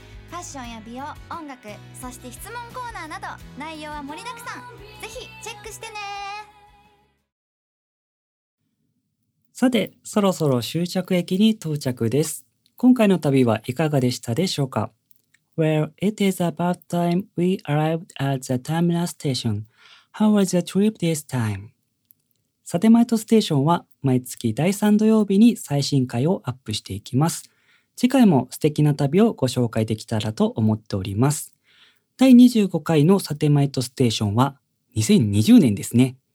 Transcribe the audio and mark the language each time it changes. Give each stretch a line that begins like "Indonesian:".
Japanese: ファッションや美容、音楽、そして質問コーナーなど内容は盛りだくさん、ぜひチェックしてね。さて、そろそろ終着駅に到着です。今回の旅はいかがでしたでしょうか。
English: Well, it is about time we arrived at the terminal station. How was the trip this time?
Japanese: サテマイトステーションは毎月第3土曜日に最新回をアップしていきます。次回も素敵な旅をご紹介できたらと思っております。第25回のサテマイトステーションは2020年ですね。